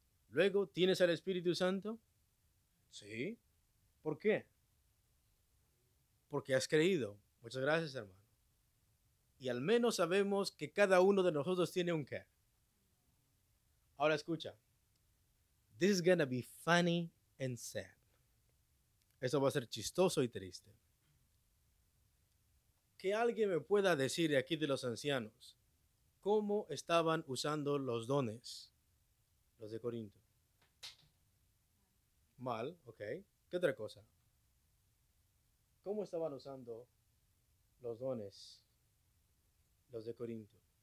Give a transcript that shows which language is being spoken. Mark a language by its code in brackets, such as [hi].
[es] Luego, ¿tienes al Espíritu Santo? Sí. ¿Por qué? Porque has creído. Muchas gracias, hermano. Y al menos sabemos que cada uno de nosotros tiene un qué. Ahora escucha. [en] This is gonna be funny and sad. [es] Esto va a ser chistoso y triste. Que alguien me pueda decir aquí de los ancianos, ¿cómo estaban usando los dones, los de Corinto? Mal, ok. ¿Qué otra cosa? ¿Cómo estaban usando los dones, los de Corinto?